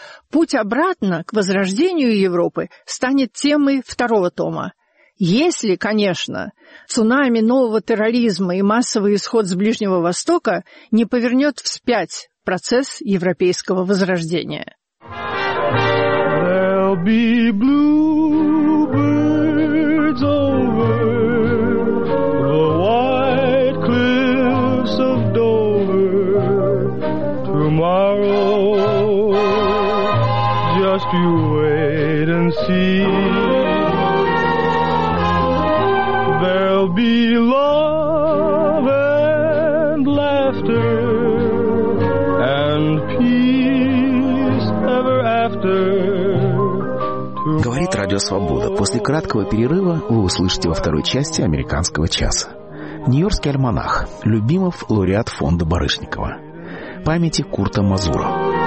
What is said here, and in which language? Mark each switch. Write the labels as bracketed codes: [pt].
[ru] Путь обратно к возрождению Европы станет темой второго тома. Если, конечно, цунами нового терроризма и массовый исход с Ближнего Востока не повернет вспять процесс европейского возрождения. [en] There'll be blue birds over the white cliffs of Dover tomorrow. Just you wait and see. Be love and laughter and peace ever after. [ru] Говорит Радио Свобода. После краткого перерыва вы услышите во второй части «Американского часа». Нью-Йоркский альманах. Любимов, лауреат фонда Барышникова. Памяти Курта Мазурова.